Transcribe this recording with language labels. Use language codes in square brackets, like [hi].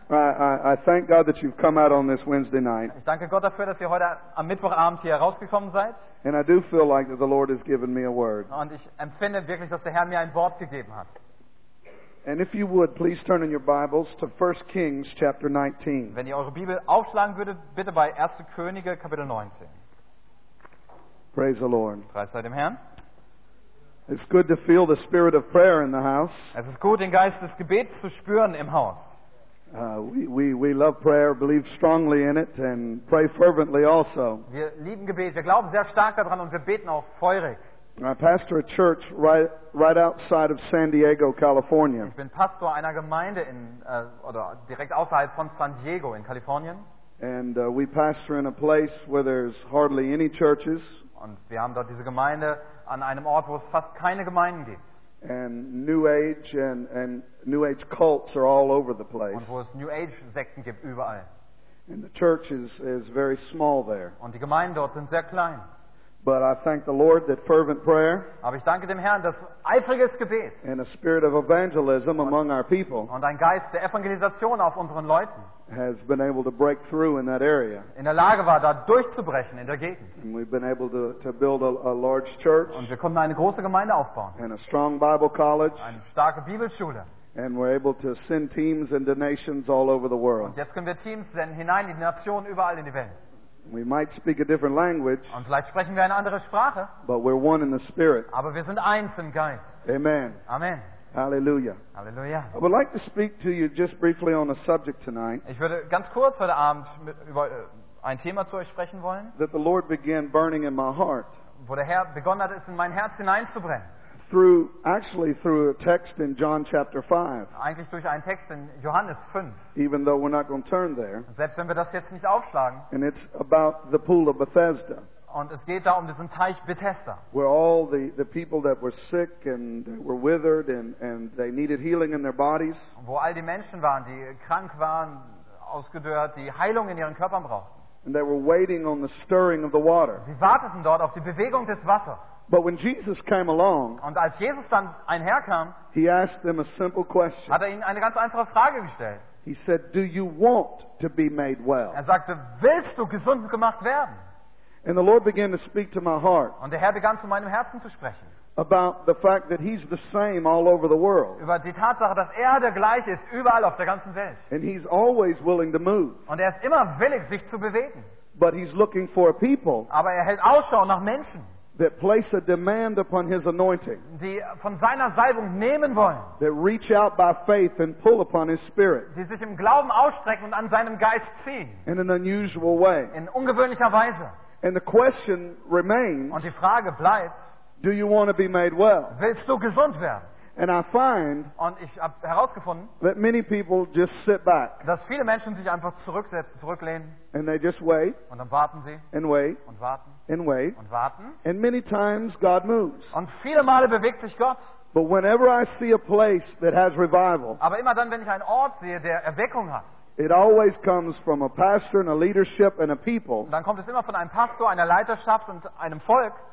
[en] I thank God that you've come out on this Wednesday night. [de] Ich danke Gott dafür, dass ihr heute am Mittwochabend hier rausgekommen seid. [en] And I do feel like that the Lord has given me a word. [de] Und ich empfinde wirklich, dass der Herr mir ein Wort gegeben hat. [en] And if you would, please turn in your Bibles to 1 Kings chapter 19. [de] Wenn ihr eure Bibel aufschlagen würdet, bitte bei 1. Könige Kapitel 19. [en] Praise the Lord. [de] Preis sei dem Herrn. [en] It's good to feel the spirit of prayer in the house. [de] Es ist gut, den Geist des Gebets zu spüren im Haus. [en] We love prayer, believe strongly in it, and pray fervently also. [de] Wir lieben Gebet, wir glauben sehr stark daran und wir beten auch feurig. [en] I pastor a church right outside of San Diego, California. [de] Ich bin Pastor einer Gemeinde in oder direkt außerhalb von San Diego in Kalifornien. [en] And we pastor in a place where there's hardly any churches. [de] Und wir haben dort diese Gemeinde an einem Ort, wo es fast keine Gemeinden gibt. [en] And New Age and New Age cults are all over the place. [de] Und wo es New Age Sekten gibt überall. [en] And the church is very small there. [de] Und die Gemeinden dort sind sehr klein. [en] But I thank the Lord that fervent prayer. [de] Aber ich danke dem Herrn, dass eifriges Gebet. [en] And a spirit of evangelism among our people. [de] Und ein Geist der Evangelisation auf unseren Leuten. [en] Has been able to break through in that area. [de] In der Lage war, da durchzubrechen in der Gegend. [en] And we've been able to build a large church. [de] Und wir konnten eine große Gemeinde aufbauen. [en] And a strong Bible college. [de] Eine starke Bibelschule. [en] And we're able to send teams into nations all over the world. [de] Und jetzt können wir Teams senden hinein in die Nationen überall in die Welt. [en] We might speak a different language. [de] Und vielleicht sprechen wir eine andere Sprache. [en] But we're one in the spirit. [de] Aber wir sind eins im Geist. [en] Amen. [de] Amen. [en] Hallelujah. [de] Hallelujah. [en] I would like to speak to you just briefly on a subject tonight. [de] Ich würde ganz kurz heute Abend über ein Thema zu euch sprechen wollen. [en] That the Lord began burning in my heart. [de] Wo der Herr begonnen hat, es in mein Herz hineinzubrennen. [en] Through a text in John chapter 5. [de] Eigentlich durch einen Text in Johannes 5. [en] Even though we're not going to turn there. [de] Selbst wenn wir das jetzt nicht aufschlagen. [en] And it's about the pool of Bethesda. [de] Und es geht da um diesen Teich Bethesda. [en] Where all the people that were sick and were withered and they needed healing in their bodies. [de] Wo all die Menschen waren, die krank waren, ausgedörrt, die Heilung in ihren Körpern brauchten. [en] And they were waiting on the stirring of the water. [de] Sie warteten dort auf die Bewegung des Wassers. [en] But when Jesus came along, [de] und als Jesus dann einherkam, [en] he asked them a simple question. [de] Hat ihnen eine ganz einfache Frage gestellt. [en] He said, "Do you want to be made well?" [de] Er sagte, willst du gesund gemacht werden? [en] And the Lord began to speak to my heart. [de] Und der Herr begann zu meinem Herzen zu sprechen. [en] About the fact that he's the same all over the world. [de] Über die Tatsache, dass er der gleiche ist überall auf der ganzen Welt. [en] And he's always willing to move. [de] Und er ist immer willig, sich zu bewegen. [en] But he's looking for a people. [de] Aber er hält Ausschau nach Menschen. [en] That place a demand upon his anointing. [de] Die von seiner Salbung nehmen wollen. [en] That reach out by faith and pull upon his spirit. [de] Die sich im Glauben ausstrecken und an seinem Geist ziehen. [en] In an unusual way. [de] In ungewöhnlicher Weise. [en] And the question remains. [de] Und die Frage bleibt. [en] Do you want to be made well? [de] Willst du gesund werden? [en] And I find [de] und ich habe herausgefunden, [en] that many people just sit back. [de] Dass viele Menschen sich einfach zurücksetzen, zurücklehnen. [en] And they just wait. [de] Und dann warten sie. [en] And wait. [de] Und warten. [en] And wait. [de] Und warten. [en] And many times God moves. [de] Und viele Male bewegt sich Gott. [en] But whenever I see a place that has revival, [de] aber immer dann, wenn ich einen Ort sehe, der Erweckung hat, [en] it always comes from a pastor and a leadership and a people. [de] Dann kommt es immer von einem Pastor, einer Leiterschaft und einem Volk.